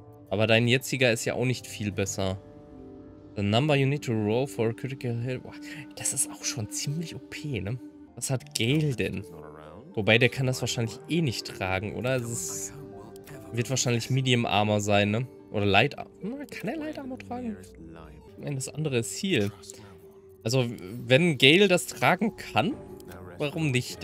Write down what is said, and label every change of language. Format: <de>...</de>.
<de>Aber dein jetziger ist ja auch nicht viel besser.</de> <en>The number you need to roll for a critical hit.</en> <de>Das ist auch schon ziemlich OP, ne? Was hat Gale denn? Wobei, der kann das wahrscheinlich eh nicht tragen, oder? Es ist, wird wahrscheinlich Medium Armor sein, ne? Oder Light Armor. Kann er Light Armor tragen? Nein, das andere ist Heal. Also, wenn Gale das tragen kann, warum nicht?</de>